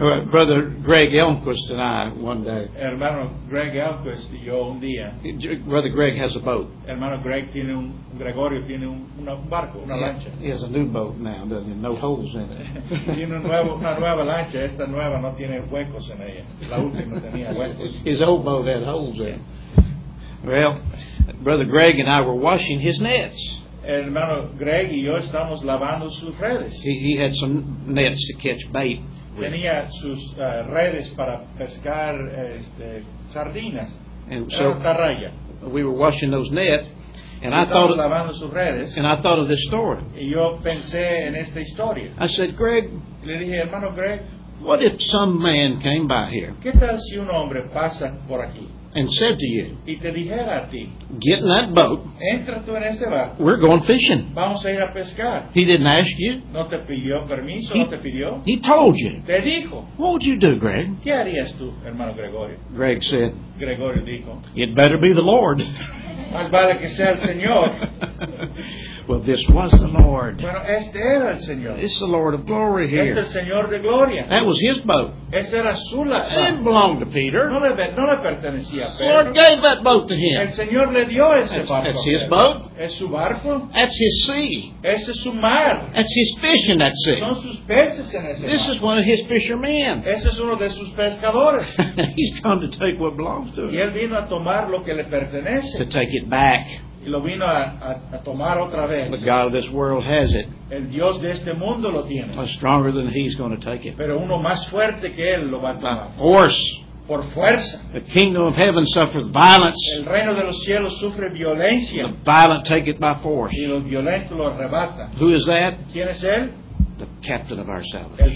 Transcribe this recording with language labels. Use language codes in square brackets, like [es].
[en] Brother Greg Elmquist and I one day. [es] Hermano Greg Elmquist y yo un día. [en] Brother Greg has a boat. [es] Hermano Greg tiene un Gregorio tiene un barco, una lancha. [en] He has a new boat now, doesn't he? No holes in it. [es] Tiene una nueva lancha. Esta nueva no tiene huecos en ella. La última tenía huecos. [en] His old boat had holes in it. Well, Brother Greg and I were washing his nets. [es] Hermano Greg y yo estamos lavando sus redes. [en] He had some nets to catch bait. [es] Tenía sus redes para pescar sardinas. Carraya. [en] We were washing those nets, and I thought. [es] Lavando sus redes. [en] And I thought of this story. [es] Y yo pensé en esta historia. [en] I said, Greg. [es] Le dije, hermano Greg. [en] What if some man came by here? [es] ¿Qué tal si un hombre pasa por aquí? [en] And said to you, [es] y te dijera a ti, [en] get in that boat. [es] Entra tú en este barco. [en] We're going fishing. [es] Vamos a ir a pescar. [en] He didn't ask you. [es] No te pidió permiso, no te pidió. [en] He told you. [es] Te dijo. [en] What would you do, Greg? [es] ¿Qué harías tú, hermano Gregorio? [en] Greg said, [es] Gregorio dijo, [en] it better be the Lord. [es] Más vale que sea el Señor. [en] Well, this was the Lord. [es] Bueno, este era el Señor. [en] It's the Lord of glory here. [es] Este es el Señor de gloria. [en] That was his boat. [es] Este era su lancha. [en] It didn't belong to Peter. [es] No le pertenecía a Pedro. [en] The Lord gave that boat to him. [es] El Señor le dio ese barco. [en] That's his boat. [es] Es su barco. [en] That's his sea. [es] Ese es su mar. [en] That's his fish in that sea. [es] Son sus peces en ese [en] this [es] mar. [en] Is one of his fishermen. [es] Ese es uno de sus pescadores. [en] He's come to take what belongs to him. [es] Y él vino a tomar lo que le pertenece. [en] To take it back. [es] Y lo vino a tomar otra vez. [en] The God of this world has it. [es] El Dios de este mundo lo tiene. [en] But stronger than he's going to take it. [es] Pero uno más fuerte que él lo va a tomar. [en] By force. [es] Por fuerza. [en] The kingdom of heaven suffers violence. [es] El reino de los cielos sufre violencia. [en] The violent take it by force. [es] Y los violentos lo arrebatan. [en] Who is that? [es] ¿Quién es él? [en] The captain of our salvation.